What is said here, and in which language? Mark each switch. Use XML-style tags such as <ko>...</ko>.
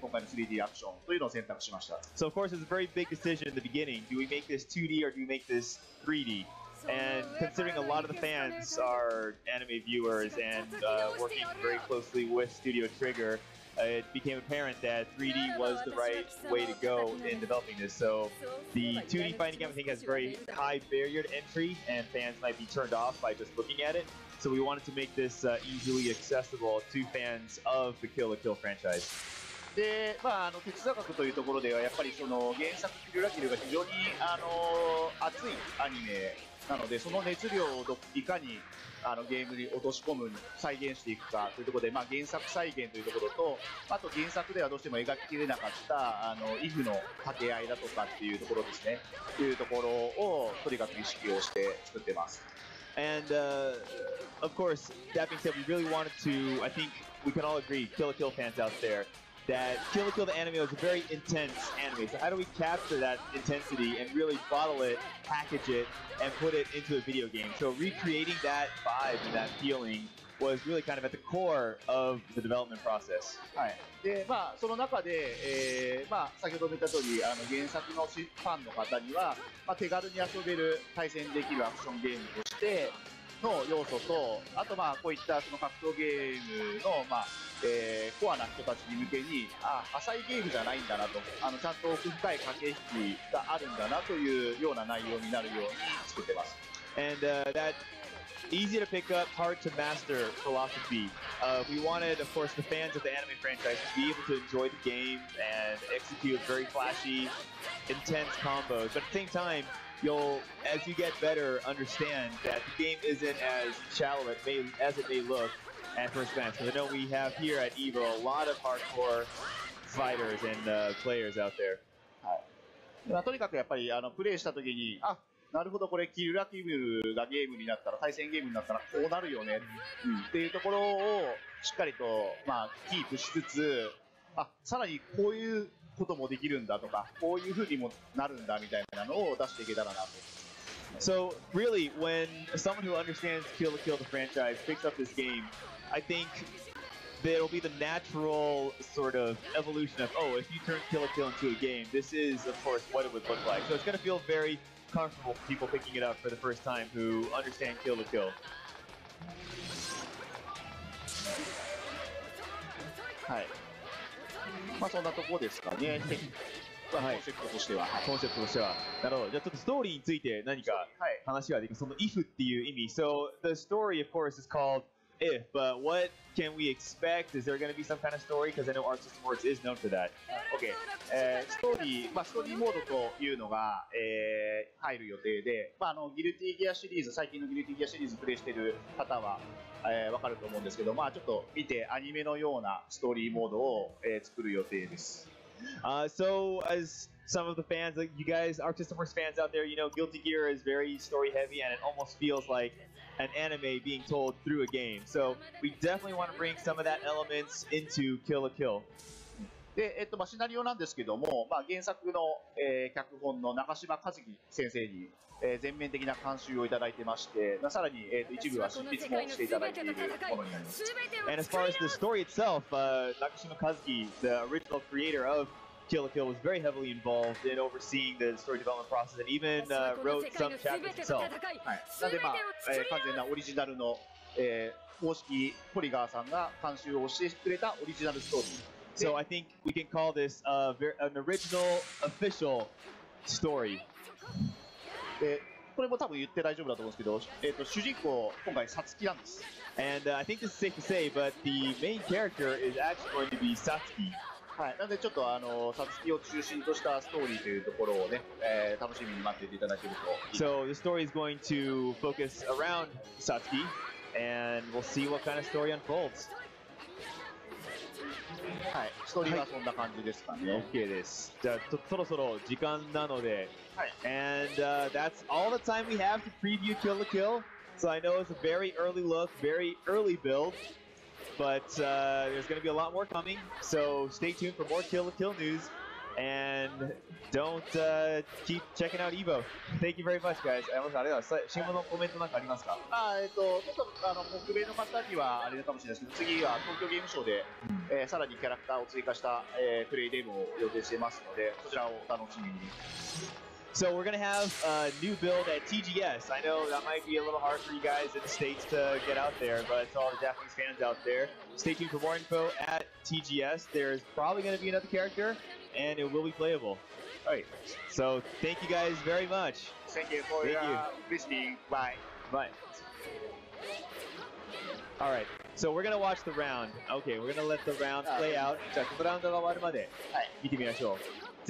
<ja>まで 3D アクションというのを選択しました。</ja> <en>So of course it's a very big decision in the beginning. Do we make this 2D or do we make this 3D? And considering a lot of the fans are anime viewers and working very closely with Studio Trigger, it became apparent that 3D was the right way to go in developing this. So the 2D fighting game, I think, has a very high barrier to entry and fans might be turned off by just looking at it. So we wanted to make this easily accessible to fans of the Kill la Kill franchise.</en> <ja>でまあ、あの哲学というところではやっぱりその原作キルラキルが非常に熱いアニメなのでその熱量をいかにあのゲームに落とし込む再現していくかというところで、まあ、原作再現というところとあと原作ではどうしても描ききれなかったあのイフの掛け合いだとかっていうところですねというところをとにかく意識をして作ってます。</ja> <en>And、of course that being said we really wanted to I think we can all agree Kill la Kill fans out thereThat Kill la Kill the anime was a very intense anime. So how do we capture that intensity and really bottle it, package it, and put it into a video game? So recreating that vibe and that feeling was really kind of at the core of the development process.</en> <ja>はい。で、まあその中で、まあ先ほども言った通り、あの原作のファンの方には、まあ、手軽に遊べる対戦できるアクションゲームとしての要素と、あとまあこういったその格闘ゲームのまあコアな人たちに向けに、ああ、浅いゲームじゃないんだなと、あのちゃんと奥深い駆け引きがあるんだなというような内容になるように作ってます。</ja> <en>And, that easy to pick up, hard to master philosophy. We wanted, of course, the fans of the anime franchise to be able to enjoy the game and execute very flashy, intense combos. But at the same time, you'll, as you get better, understand that the game isn't as shallow as it may look. At first glance, I know we have here at EVO a lot of hardcore fighters and players out there.</en> <ja>はい。まあ、とにかくやっぱりあのプレイした時に、あ、なるほどこれキルラキルがゲームになったら対戦ゲームになったらこうなるよね、うん、っていうところをしっかりとまあキープしつつ、あ、さらにこういうこともできるんだとか、こういう風にもなるんだみたいなのを出していけたらなと。</ja> <en>So really, when someone who understands Kill la Kill the franchise picks up this game, I think there'll be the natural sort of evolution of, oh, if you turn Kill la Kill into a game, this is, of course, what it would look like. So it's going to feel very comfortable for people picking it up for the first time who understand Kill la Kill. Hi.</en> <ja>まあそんなとこですかね。まあ、コンセプトとしては、はい、コンセプトとしてはなるほど。じゃあちょっとストーリーについて何か話ができる、その if っていう意味。</ja> <en>So the story of course is called if, but what can we expect? Is there going to be some kind of story? Because I know Arts and Sports is known for that.</en> <ja>Okay、ストーリー、まあ、ストーリーモードというのが、入る予定で、まあ、あのギルティギアシリーズ、最近のギルティギアシリーズプレイしている方は、分かると思うんですけど、まあ、ちょっと見てアニメのようなストーリーモードを、作る予定です。</ja> <en>So as some of the fans, like you guys, Arctic Force fans out there, you know, Guilty Gear is very story heavy and it almost feels like an anime being told through a game. So we definitely want to bring some of that elements into Kill la Kill.</en> <ja>で、まあ、シナリオなんですけども、まあ、原作の、脚本の中島和樹先生に、全面的な監修をいただいてまして、まあ、さらに、一部は執筆もしていただいているものになります。</ja> <en>And as far as the story itself, 中島和樹, the original creator of Kill la Kill, was very heavily involved in overseeing the story development process and even、wrote some chapters himself.</en> <ja>なので、まあ、完全なオリジナルの、公式ポリガーさんが監修をしてくれたオリジナルストーリー。</ja> <en>So I think we can call this a very, an original official story.</en> <ja>これも多分言って大丈夫だと思うんですけど、主人公今回サツキなんです。</ja> <en>And、I think it's safe to say, but the main character is actually going to be サツキ。</en> <ja>はい、なのでちょっとあのサツキを中心としたストーリーというところをね、楽しみに待っていただけるといい。</ja> <en>So the story is going to focus around サツキ and we'll see what kind of story unfolds.</en> <ja>はい、ストーリーはそんな感じですかね。 OK です。じゃあそろそろ時間なので、はい、</ja> <en>And、that's all the time we have to preview Kill la Kill. So I know it's a very early look, very early build, but、there's gonna be a lot more coming. So stay tuned for more Kill la Kill news. And don't keep checking out Evo. Thank you very much, guys.</en> <ja>ありがとうございます。新聞のコメントなんかありますか？あ、ちょっとあの北米の方にはあれかもしれないですけど、次は東京ゲームショーで、さらにキャラクターを追加した、プレイデモを予定していますので、そちらをお楽しみに。</ja> <en>So we're gonna have a new build at TGS. I know that might be a little hard for you guys in the States to get out there, but to all the Japanese fans out there, stay tuned for more info at TGS. There's probably gonna be another character, and it will be playable. All right. So thank you guys very much. Thank you for thank you. Visiting. Bye. Bye. All right. So we're gonna watch the round. Okay, we're gonna let the round play out.</en> <ja>じゃあ、このラウンドが終わるまで見てみましょう。</ja>